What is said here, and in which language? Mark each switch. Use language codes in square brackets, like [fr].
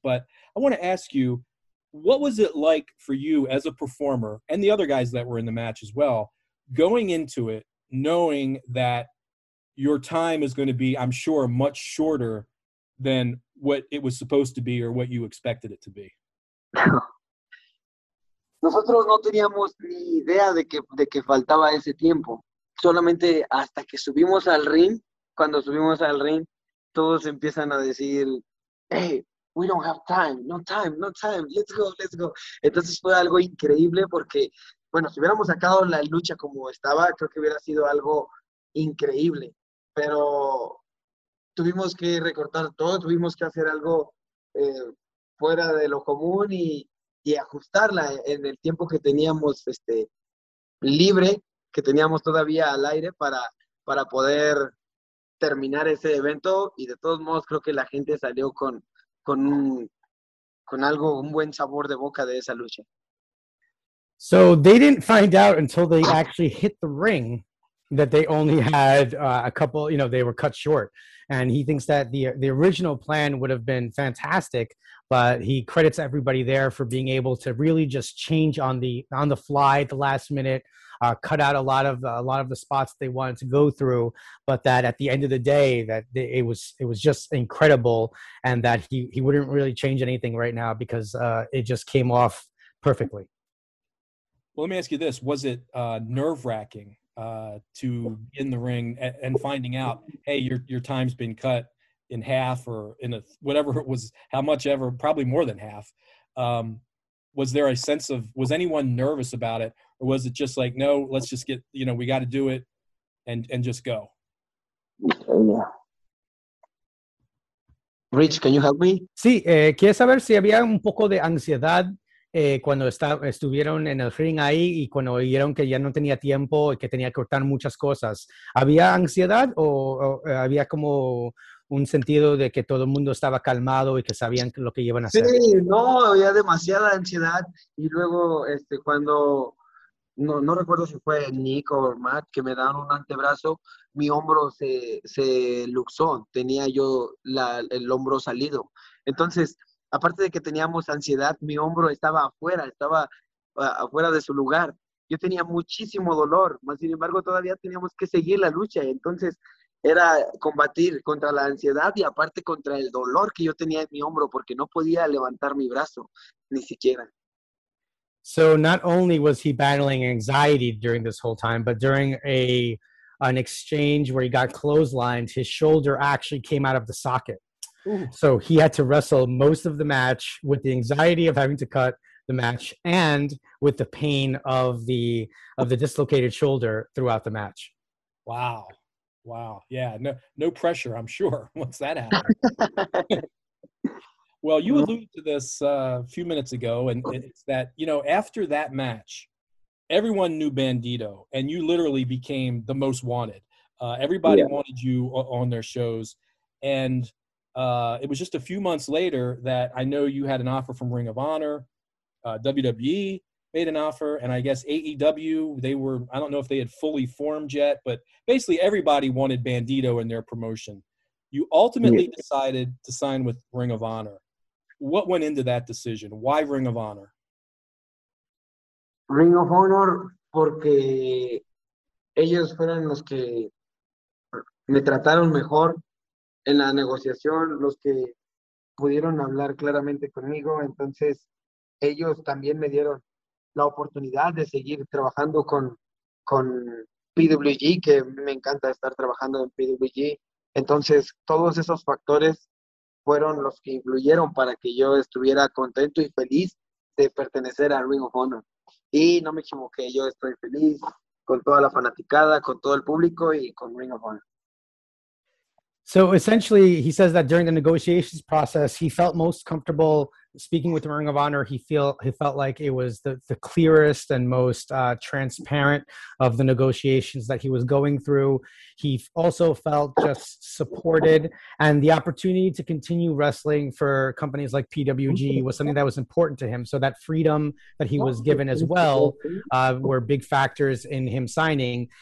[en] But I want to ask you, what was it like for you as a performer and the other guys that were in the match as well, going into it, knowing that your time is going to be, I'm sure, much shorter than what it was supposed to be or what you expected it to be? [es] Nosotros no teníamos ni idea de que faltaba ese tiempo. Solamente hasta que subimos al ring, cuando subimos al ring, todos empiezan a decir, [en] hey, we don't have time, no time, no time, let's go, [es] let's go. Entonces fue algo increíble porque, bueno, si hubiéramos sacado la lucha como estaba, creo que hubiera sido algo increíble. Pero tuvimos que recortar todo, tuvimos que hacer algo fuera de lo común y ajustarla en el tiempo que teníamos libre, que teníamos todavía al aire para poder terminar ese evento. Y de todos modos, creo que la gente salió con algo, un buen sabor de boca de esa lucha. [en] So they didn't find out until they actually hit the ring that they only had a couple, you know, they were cut short. And he thinks that the original plan would have been fantastic, but he credits everybody there for being able to really just change on the fly at the last minute, cut out a lot of the spots they wanted to go through. But that at the end of the day, that it was just incredible, and that he wouldn't really change anything right now because it just came off perfectly. Well, let me ask you this. Was it nerve-wracking to be in the ring and finding out, hey, your time's been cut in half or probably more than half? Was there a sense of – was anyone nervous about it, or was it just like, no, let's just get – you know, we got to do it and just go? Rich, can you help me? [es] Sí, quiero saber si había un poco de ansiedad. Cuando estuvieron en el ring ahí y cuando vieron que ya no tenía tiempo y que tenía que cortar muchas cosas, ¿había ansiedad o había como un sentido de que todo el mundo estaba calmado y que sabían lo que iban a hacer? Sí, no, había demasiada ansiedad. Y luego cuando, no recuerdo si fue Nick o Matt, que me dieron un antebrazo, mi hombro se luxó, tenía yo el hombro salido. Entonces, aparte de que teníamos ansiedad, mi hombro estaba afuera de su lugar. Yo tenía muchísimo dolor, mas sin embargo todavía teníamos que seguir la lucha. Entonces era combatir contra la ansiedad y aparte contra el dolor que yo tenía en mi hombro porque no podía levantar mi brazo, ni siquiera. [en] So not only was he battling anxiety during this whole time, but during an exchange where he got clotheslined, his shoulder actually came out of the socket. Ooh. So he had to wrestle most of the match with the anxiety of having to cut the match and with the pain of the dislocated shoulder throughout the match. Wow. Wow. Yeah. No pressure, I'm sure, once that happened. Well, you alluded to this a few minutes ago, and it's that, you know, after that match, everyone knew Bandido, and you literally became the most wanted. Everybody wanted you on their shows, and it was just a few months later that I know you had an offer from Ring of Honor, WWE made an offer, and I guess AEW, I don't know if they had fully formed yet, but basically everybody wanted Bandido in their promotion. You ultimately decided to sign with Ring of Honor. What went into that decision? Why Ring of Honor? [es] Ring of Honor, porque ellos fueron los que me trataron mejor. En la negociación, los que pudieron hablar claramente conmigo, entonces ellos también me dieron la oportunidad de seguir trabajando con PWG, que me encanta estar trabajando en PWG. Entonces, todos esos factores fueron los que influyeron para que yo estuviera contento y feliz de pertenecer a Ring of Honor. Y no me equivoqué, yo estoy feliz con toda la fanaticada, con todo el público y con Ring of Honor. [en] So essentially, he says that during the negotiations process, he felt most comfortable speaking with the Ring of Honor. He felt like it was the clearest and most transparent of the negotiations that he was going through. He also felt just supported, and the opportunity to continue wrestling for companies like PWG was something that was important to him. So that freedom that he was given as well were big factors in him signing.